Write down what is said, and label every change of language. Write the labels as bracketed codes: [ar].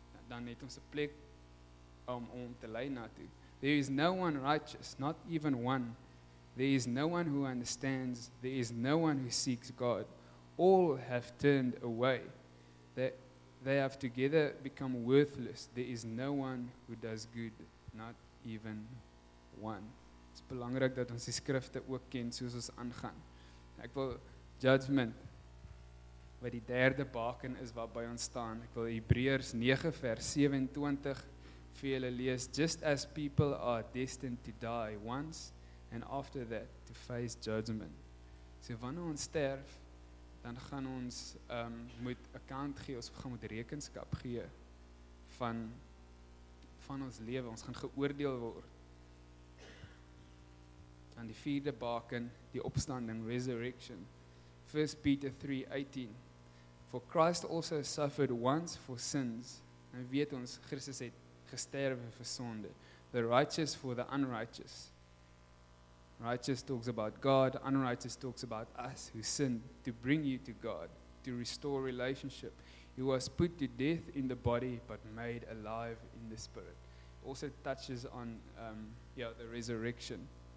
[af] Dan het ons 'n plek om te lei na toe. [en] There is no one righteous, not even one. There is no one who understands. There is no one who seeks God. All have turned away. They have together become worthless. There is no one who does good, not even one. [af] Dit is belangrik dat ons die skrifte ook ken soos ons aangaan. Ek wil judgment, wat die derde baken is waarby ons staan. Ek wil Hebreërs 9 vers 27 vir julle lees. [en] Just as people are destined to die once and after that to face judgment. [af] So wanneer ons sterf, dan gaan ons moet account gee, ons gaan moet rekenskap gee van ons lewe. Ons gaan geoordeel word. Dan die vierde baken, die opstanding, resurrection. 1 Peter 3:18. [en] For Christ also suffered once for sins. [af] En weet ons, Christus het gesterwe vir sonde. [en] The righteous for the unrighteous. Righteous talks about God, unrighteous talks about us who sinned, to bring you to God, to restore relationship. He was put to death in the body, but made alive in the spirit. Also touches on the resurrection.